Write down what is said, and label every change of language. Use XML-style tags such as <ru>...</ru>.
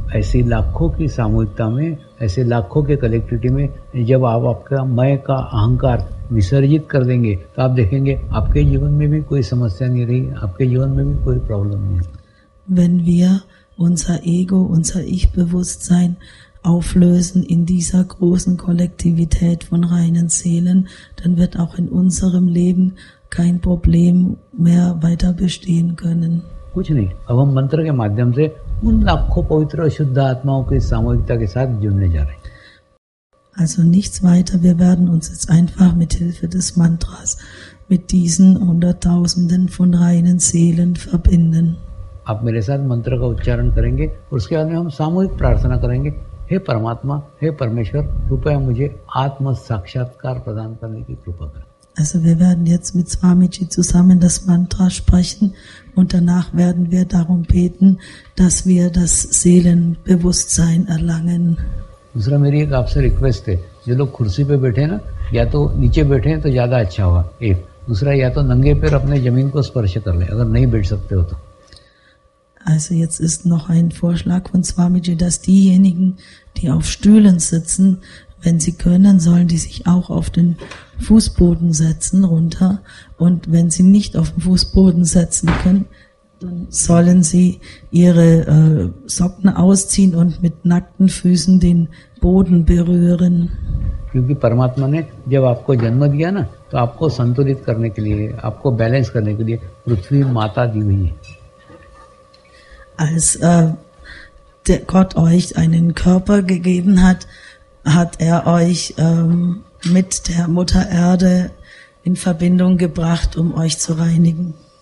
<hi>ऐसे लाखों की सामूहिकता में ऐसे लाखों के कलेक्टिविटी में जब आप आपका मैं का अहंकार विसर्जित कर देंगे तो आप देखेंगे आपके जीवन में भी कोई समस्या नहीं रही आपके जीवन में भी कोई प्रॉब्लम नहीं</hi> <de>wenn wir unser ego unser ich bewusstsein auflösen in dieser großen kollektivität von reinen seelen dann wird auch in unserem leben kein problem mehr weiter bestehen können</de> <hi>कुछ नहीं अब हम मंत्र के माध्यम से उन लाखों पवित्र शुद्ध आत्माओं की सामूहिकता के साथ जुड़ने जा रहे हैं।</hi> <de>Also nichts weiter, wir werden uns jetzt einfach mit Hilfe des Mantras mit diesen Hunderttausenden von reinen Seelen verbinden.</de> <hi>आप मेरे साथ मंत्र का उच्चारण करेंगे और उसके बाद में हम सामूहिक प्रार्थना करेंगे, हे परमात्मा, हे परमेश्वर, कृपया मुझे आत्म साक्षात्कार प्रदान करने की कृपा करें।</hi> <de>Also wir werden jetzt mit Swamiji zusammen das Mantra sprechen und danach werden wir darum beten, dass wir das Seelenbewusstsein erlangen.</de> <hi>दूसरा मेरी एक आपसे रिक्वेस्ट है, जो लोग कुर्सी पे बैठे ना, या तो नीचे बैठे हैं तो ज्यादा अच्छा होगा, एक दूसरा, या तो नंगे पैर अपने जमीन को स्पर्श कर ले अगर नहीं बैठ सकते हो तो।</hi> <de>Also jetzt ist noch ein Vorschlag von Swamiji, dass diejenigen, die auf Stühlen sitzen, wenn sie können, sollen die sich auch auf den Fußboden setzen runter. Und wenn sie nicht auf den Fußboden setzen können, dann sollen sie ihre Socken ausziehen und mit nackten Füßen den Boden berühren.</de> <hi>क्योंकि परमात्मा ने जब आपको जन्म दिया ना, तो आपको संतुलित करने के लिए, आपको बैलेंस करने के लिए पृथ्वी माता दी हुई है।</hi> <de>Als der Gott euch einen Körper gegeben hat, hat er euch mit der Mutter Erde in Verbindung gebracht, um euch zu reinigen.</de>